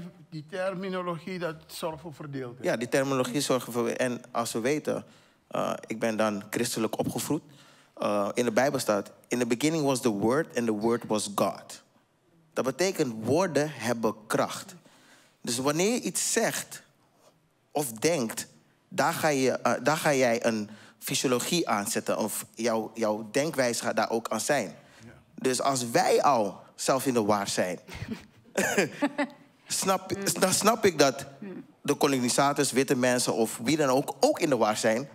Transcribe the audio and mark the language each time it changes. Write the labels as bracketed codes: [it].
[nl] Die terminologie, dat zorgt voor verdeeldheid. Ja, die terminologie zorgt voor... En als we weten, ik ben dan christelijk opgevoed... In de Bijbel staat, [en] in the beginning was the word and the word was God. [nl] Dat betekent, woorden hebben kracht. Dus wanneer je iets zegt of denkt, daar ga jij een fysiologie aanzetten. Of jouw denkwijze gaat daar ook aan zijn. Ja. Dus als wij al zelf in de waar zijn, snap ik dat de kolonisators, witte mensen of wie dan ook in de waar zijn.